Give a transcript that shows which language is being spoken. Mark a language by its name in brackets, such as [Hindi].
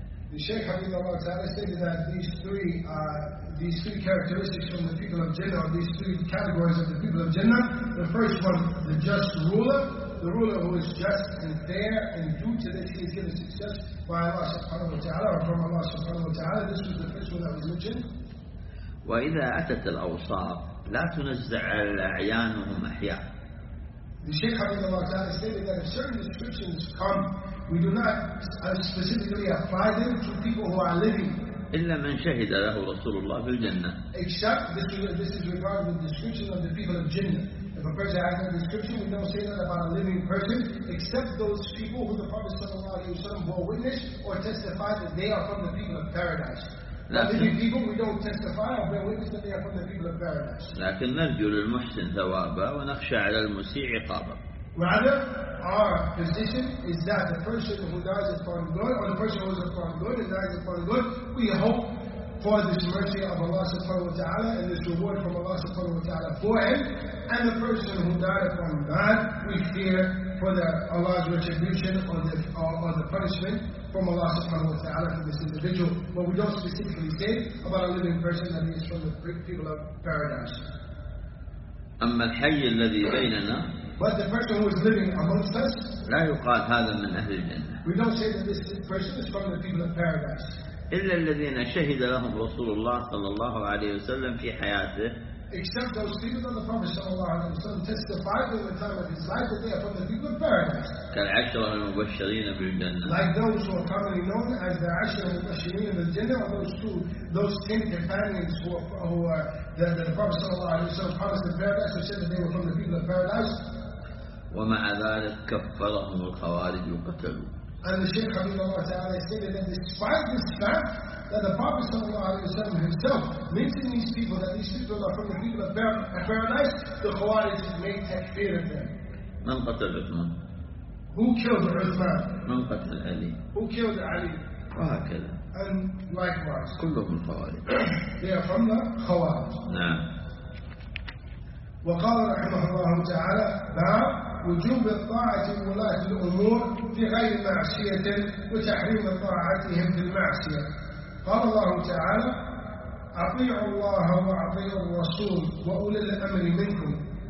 [English] The Shaykh Hafidhullah Ta'ala stated that these three characteristics from the people of Jannah, or these three categories of the people of Jannah, the first one, the just ruler, the ruler who is just and fair, and due to this he is given success by Allah Subhanahu Wa Ta'ala, or from Allah Subhanahu Wa Ta'ala. This was the first one that was mentioned. [Arabic] وإذا أتت الأوصاف لا تنزع أعيانهم أحياء. [English] The Shaykh Hafidhullah Ta'ala stated that if certain descriptions come, we do not specifically apply them to people who are living. [Arabic] إلا من شهد له رسول الله في الجنة. [English] Except this is regarding the description of the people of Jannah. If a person has a description, we don't say that about a living person, except those people who the Prophet sallallahu alaihi wasallam bore witness or testify that they are from the people of paradise. Living people, we don't testify or bear witness that they are from the people of paradise. [Arabic] لكن نرجو للمحسن ثوابه ونخشى على المسيء عقابه. [English] Rather, our position is that the person who dies upon good, or the person who is upon good and dies upon good, we hope for this mercy of Allah subhanahu wa ta'ala and this reward from Allah subhanahu wa ta'ala for him. And the person who died upon bad, we fear for the Allah's retribution or the punishment from Allah subhanahu wa ta'ala for this individual. But we don't specifically say about a living person that is from the people of paradise. [Arabic] أما الحي الذي بيننا [English] but the person who is living amongst us [Arabic] لا يقال هذا من أهل الجنة. [English] We don't say that this person is from the people of paradise. [Arabic] إلا الذين شهد لهم رسول الله صلى الله عليه وسلم في حياته. [English] Except those people that the Prophet [Arabic] صلى الله عليه وسلم [English] testified in the time of his life that they are from the people of paradise. [Arabic] كالعشرة المبشرين بالجنة. [English] Like those who are commonly known as the [Arabic] عشرة المبشرين بالجنة, [English] or those ten companions who are that the Prophet [Arabic] صلى الله عليه وسلم [English] promised the paradise and said that they were from the people of paradise. [Arabic] ومع ذلك كفرهم الخوارج وقتلوا. [English] And the Shaykh Hafidhullah Ta'ala stated that despite this fact that the Prophet sallallahu alayhi wa sallam himself mentioned these people, that these people are from the people of paradise, the Khawarij made takfir of them. [Arabic] من قتل عثمان؟ [English] Who killed Uthman? [Arabic] من قتل علي؟ [English] Who killed Ali? [Arabic] وهكذا. [English] And likewise. [Arabic] كلهم الخوارج. [English] They are from the Khawarij. [Arabic] نعم. وقال رحمه الله تعالى باب وجوب الطاعة لولاة الأمور في غير معصية وتحريم طاعتهم في المعصية. قال الله تعالى أطيعوا الله وأطيعوا الرسول وأولي الأمر منكم.